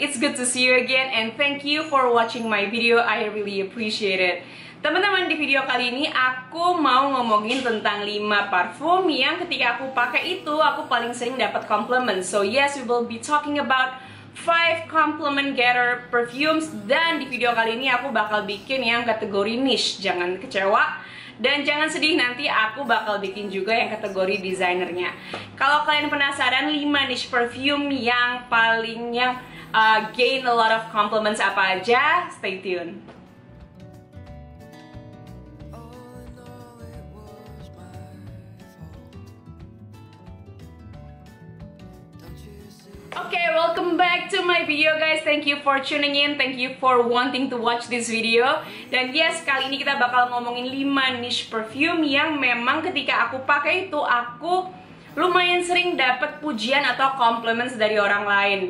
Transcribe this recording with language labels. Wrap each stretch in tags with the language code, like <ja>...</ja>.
<en>It's good to see you again and thank you for watching my video. I really appreciate it.</en> <id>Teman-teman, di video kali ini aku mau ngomongin tentang 5 parfum yang ketika aku pakai itu aku paling sering dapat compliment.</id> <en>So yes, we will be talking about 5 compliment getter perfumes</en> <id>dan di video kali ini aku bakal bikin yang kategori niche. Jangan kecewa. Dan jangan sedih, nanti aku bakal bikin juga yang kategori desainernya. Kalau kalian penasaran 5 niche perfume yang palingnya</id> <en>gain a lot of compliments</en> <id>apa aja,</id> <en>stay tune. Okay, welcome back to my video guys. Thank you for tuning in. Thank you for wanting to watch this video.</en> <id>Dan yes, kali ini kita bakal ngomongin 5 niche perfume yang memang ketika aku pakai itu aku lumayan sering dapat pujian atau compliments dari orang lain.</id>